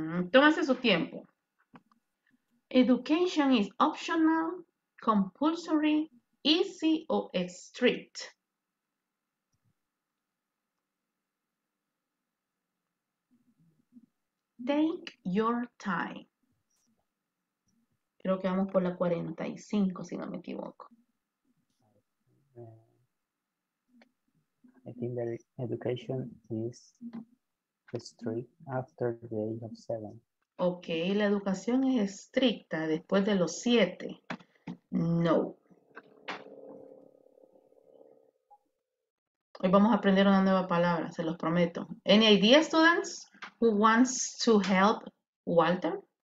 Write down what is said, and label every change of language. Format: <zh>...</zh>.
<es>Tómase su tiempo.</es> <en>Education is optional, compulsory, easy or strict. Take your time.</en> <es>Creo que vamos por la 45, si no me equivoco.</es> <en>I think that education is strict after the age of 7.</en> <es>Ok, la educación es estricta después de los 7. No. Hoy vamos a aprender una nueva palabra, se los prometo.</es> <en>Any idea, students, who wants to help Walter?</en>